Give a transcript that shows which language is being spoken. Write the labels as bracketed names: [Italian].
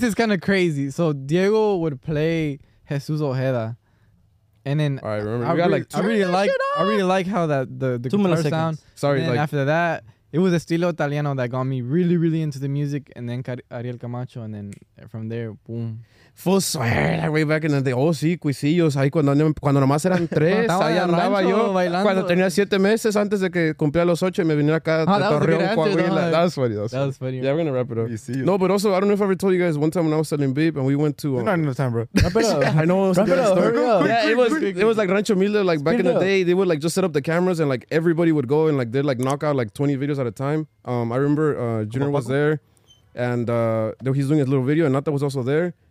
[English] This is kind of crazy. So Diego would play Jesús Ojeda. And then all right, remember, I really like how that the guitar seconds. Sound. Sorry. And like, after that. It was Estilo Italiano that got me really, really into the music, and then Ariel Camacho, and then from there, boom. Full swear, way back in the day. [Spanish] Oh, sí, Cuisillos, ahí cuando nomás eran tres, ahí andaba yo. Bailando. Cuando tenía 7 meses antes de que cumplía los 8, me vine acá de Torreón, Coahuila. [English] That was funny. Yeah, we're going to wrap it up. No, but also, I don't know if I ever told you guys, one time when I was selling Beep, and we went to... We're not in the time, bro. Wrap it up. I know. Wrap it up, hurry up. Yeah, it was like Rancho Mildo, like back in the day, they would like just set up the cameras, and like everybody would go, and like they'd like knock out like 20 videos at a time. I remember Junior was there, and he's doing his little video, and Nata was also there.